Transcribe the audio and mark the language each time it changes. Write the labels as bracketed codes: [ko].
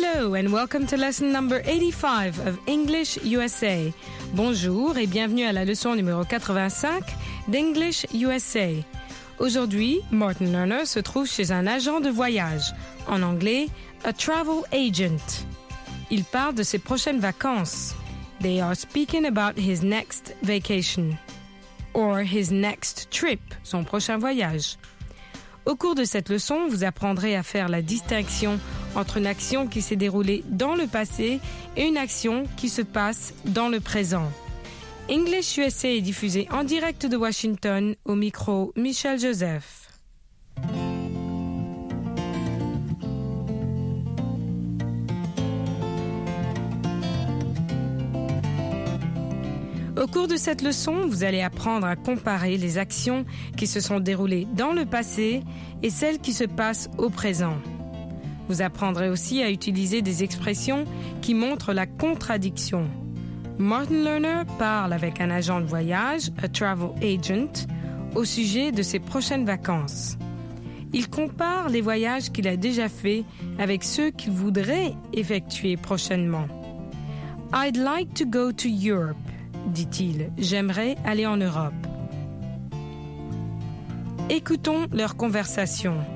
[en] And welcome to lesson number 85 of English USA. [fr] Bonjour et bienvenue à la leçon numéro 85 d'English USA. Aujourd'hui, Martin Lerner se trouve chez un agent de voyage, en anglais, [en] a travel agent. [fr] Il parle de ses prochaines vacances. [en] They are speaking about his next vacation. Or his next trip, [fr] son prochain voyage. Au cours de cette leçon, vous apprendrez à faire la distinction entre une action qui s'est déroulée dans le passé et une action qui se passe dans le présent. English USA est diffusé en direct de Washington, au micro Michel Joseph. Au cours de cette leçon, vous allez apprendre à comparer les actions qui se sont déroulées dans le passé et celles qui se passent au présent. Vous apprendrez aussi à utiliser des expressions qui montrent la contradiction. Martin Lerner parle avec un agent de voyage, [en] a travel agent, [fr] au sujet de ses prochaines vacances. Il compare les voyages qu'il a déjà faits avec ceux qu'il voudrait effectuer prochainement. [en] I'd like to go to Europe, [fr] dit-il. J'aimerais aller en Europe. Écoutons leur conversation.